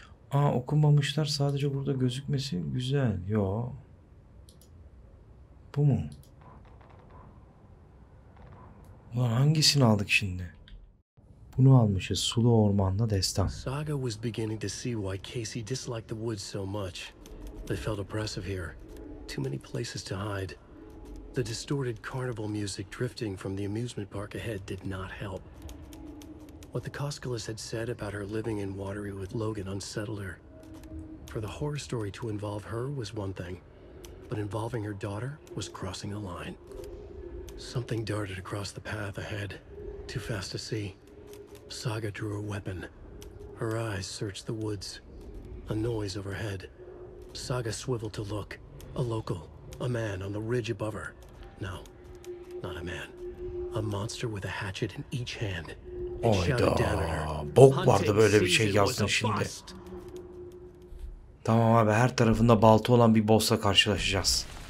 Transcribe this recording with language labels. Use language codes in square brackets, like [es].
[tr] Aa, okunmamışlar, sadece burada gözükmesi güzel. Yo. Bu mu? Ulan hangisini aldık şimdi? Bunu almışız. Sulu ormanda destan. [en] Saga was beginning to see why Casey disliked the woods so much. They felt oppressive here. Too many places to hide. The distorted carnival music drifting from the amusement park ahead did not help. What the Koskulas had said about her living in Watery with Logan unsettled her. For the horror story to involve her was one thing, but involving her daughter was crossing a line. Something darted across the path ahead, too fast to see. Saga drew a weapon. Her eyes searched the woods. A noise overhead. Saga swiveled to look. A local, a man on the ridge above her. No, not a man. A monster with a hatchet in each hand. [tr] Hayda, bok vardı böyle bir şey yazdın şimdi. Tamam abi, her tarafında balta olan bir boss'la karşılaşacağız.